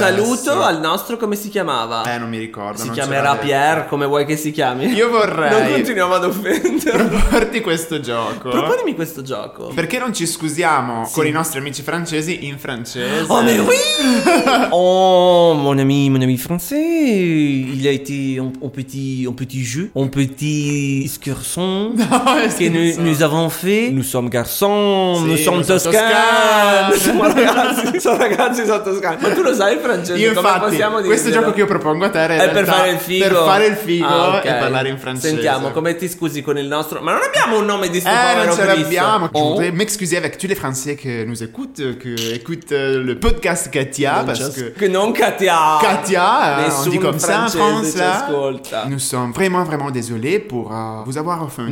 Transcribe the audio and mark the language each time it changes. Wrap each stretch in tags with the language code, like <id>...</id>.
<it>saluto al nostro, come si chiamava? Non mi ricordo. Si chiamerà Pierre, come vuoi che si chiami. Io vorrei... Non continuiamo ad offendere. Proporti questo gioco. Proponimi questo gioco. Perché non ci scusiamo con i nostri amici francesi in francese?</it> <fr>Oh, mais oui! Oh, mon ami français. Il a été un petit jeu, un petit excursion que nous avons fait. Nous sommes garçons, nous sommes toscans.</fr> <it>Sono ragazzi sono toscani. Ma tu lo sai il francese? Io, infatti, come possiamo dire? Questo gioco che io propongo a te è per fare il figo. Per fare il figo, okay, e parlare in francese. Sentiamo, come ti scusi con il nostro... Ma non abbiamo un nome di sto povero Cristo. Non ce l'abbiamo. Oh.</it> <fr>M'excusez avec tous les français que nous écoutent, que écoute le podcast Katia, non parce que... Que non Katia. Katia,</fr> <it>nessun</it> <fr>on dit comme ça en France, là.</fr> <it>Ascolta.</it> <fr>Nous sommes vraiment, vraiment désolés pour vous avoir offendu.</fr>